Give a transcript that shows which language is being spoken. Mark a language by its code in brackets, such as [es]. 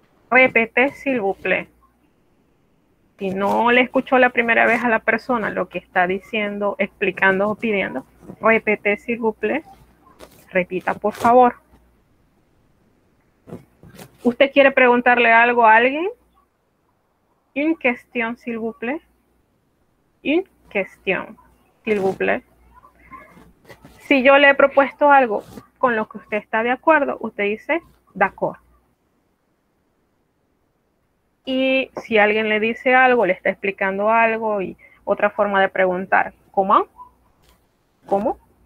[fr] Repete, s'il vous plaît. [es] Si no le escuchó la primera vez a la persona lo que está diciendo, explicando o pidiendo, repete, s'il vous plaît. Repita, por favor. ¿Usted quiere preguntarle algo a alguien? [fr] Une question, s'il vous plaît. Une question, s'il vous plaît. [es] Si yo le he propuesto algo con lo que usted está de acuerdo, usted dice d'accord. Y si alguien le dice algo, le está explicando algo y otra forma de preguntar, ¿cómo? ¿Cómo?